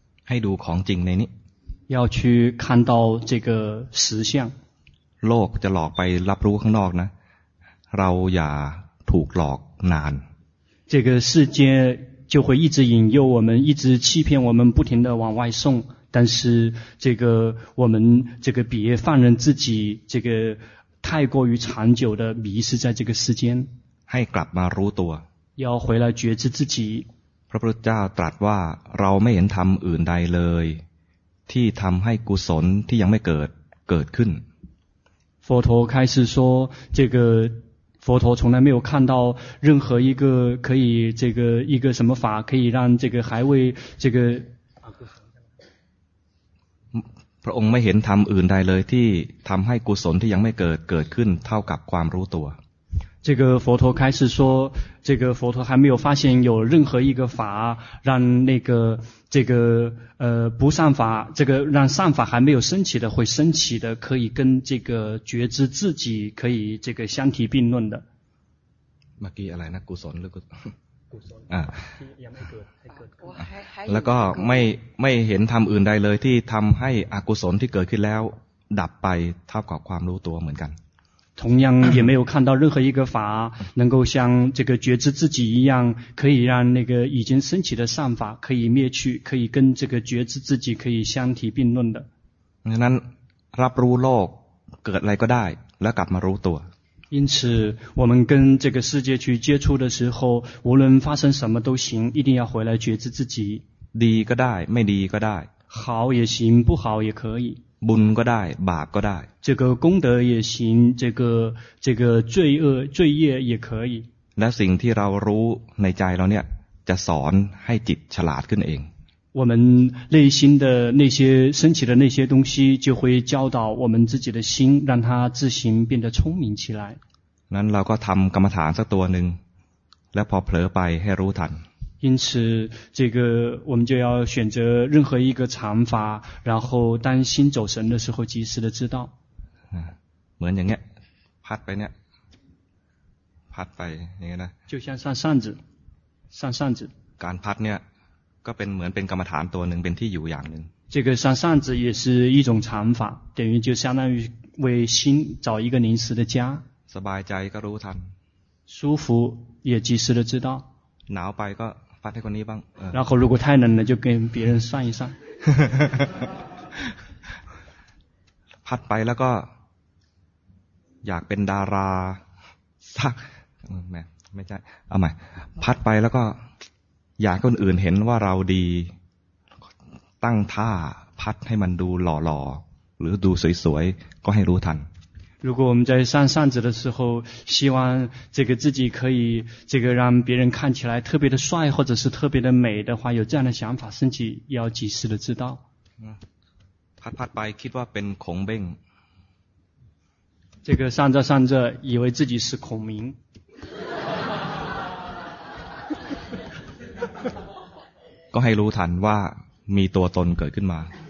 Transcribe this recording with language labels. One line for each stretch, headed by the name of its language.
Thai: ให้ดูของจริงในนี้
Chinese: 要去看到这个实相
Thai: โลกจะหลอกไปรับรู้ข้างนอกนะเราอย่าถูกหลอกนาน
Chinese: 这个世界就会一直引诱我们一直欺骗我们不停地往外送但是这个我们这个别放任自己这个太过于长久的迷失在这个世间
Thai: ให้กลับมารู้ตัว
Chinese: 要回来觉知自己
Thai: พระพุทธเจ้าตรัสว่าเราไม่เห็นธรรมอื่นใดเลยที่ทำให้กุศลที่ยังไม่เกิดเกิดขึ้น
Chinese: 佛陀开始说这个佛陀从来没有看到任何一个可以这个一个什么法可以让这个还未这个
Thai: พระองค์ไม่เห็นธรรมอื่นใดเลยที่ทำให้กุศลที่ยังไม่เกิดเกิดขึ้นเท่ากับความรู้ตัว
Chinese: 这个佛陀开始说这个佛陀还没有发现有任何一个法让那个这个不善法这个让善法还没有升起的会升起的可以跟这个觉知自己可以这个相提并论的
Thai: เมื่อกี้อะไรนะกุศลหรือ กุ ศล แล้วก็ไม่เห็นธรรมอื่นใดเลยที่ทำให้อกุศลที่เกิดขึ้นแล้วดับไปเท่ากับความรู้ตัวเหมือนกัน
Chinese: 同样也没有看到任何一个法能够像这个觉知自己一样可以让那个已经升起的善法可以灭去可以跟这个觉知自己可以相提并论的
Thai: ฉะนั้นรับรู้โลกเกิดอะไรก็ได้แล้วกลับมารู้ตัว
Chinese: 因此我们跟这个世界去接触的时候无论发生什么都行一定要回来觉知自己
Thai: ดีก็ได้ไม่ดีก็ได้
Chinese: 好也行不好也可以
Thai: บุญก็ได้บาปก็ได้
Chinese: 这个功德也行这个罪恶罪业也可以
Thai: และสิ่งที่เรารู้ในใจเราเนี่ยจะสอนให้จิตฉลาดขึ้นเอง
Chinese: 我们内心的那些升起的那些东西就会教导我们自己的心让它自行变得聪明起来
Thai: นั้นเราก็ทำกรรมฐานสักตัวหนึ่งแล้วพอเผลอไปให้รู้ทัน
Chinese: 因此这个我们就要选择任何一个禅法然后当心走神的时候及时的知道
Thai: เหมือนอย่างเงี้ยพัดไปเนี่ยพัดไปอย่างเงี้ยนะ
Chinese: 就像扇扇子扇扇子
Thai: การพัดเนี่ยก็เป็นเหมือนเป็นกรรมฐานตัวหนึ่งเป็นที่อยู่อย่างหนึ่ง
Chinese: 这个扇扇子也是一种禅法等于就相当于为心找一个临时的家
Thai: สบายใจก็รู้ทัน
Chinese: 舒服也及时的知道
Thai: หนาวไปก็พัดให้คนนี้บ้าง
Chinese: 然后如果太冷了就跟别人扇一扇
Thai: พัดไปแล้วก็อยากเป็นดาราสักไม่ใช่เอาใหม่พัดไปแล้วก็อยากคนอื่นเห็นว่าเราดีตั้งท่าพัดให้มันดูหล่อๆหรือดูสวยๆก็ให้รู้ทัน
Chinese: 如果我们在扇扇子的时候希望这个自己可以这个让别人看起来特别的帅或者是特别的美的话有这样的想法升起要及时的知道
Thai: พัดไปคิดว่าเป็นขงเบ้ง
Chinese: 这个上着上着以为自己是孔明。
Thai: ก็ให้รู้ทันว่ามีตัวตนเกิดขึ้นมา